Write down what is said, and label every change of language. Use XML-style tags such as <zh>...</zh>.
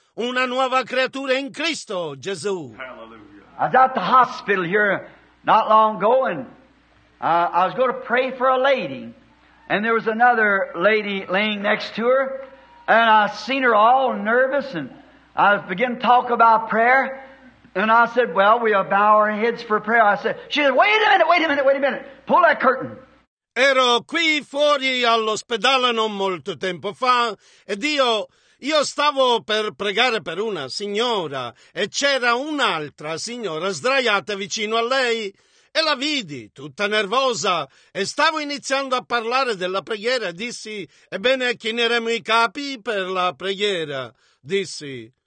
<it>Una nuova creatura in Cristo, Gesù.</it> <en>Hallelujah. I was at the hospital here not long ago, and I was going to pray for a lady. And there was another lady laying next to her, and I seen her all nervous, and I began to talk about prayer. And I said, well, we'll bow our heads for prayer. I said, she said, wait a minute, pull that curtain.</en> <it>Ero qui fuori all'ospedale non molto tempo fa, e Dio... Io stavo per pregare per una signora e c'era un'altra signora sdraiata vicino a lei e la vidi tutta nervosa e stavo iniziando a parlare della preghiera e dissi, ebbene chineremo i capi per la preghiera, dissi.</it>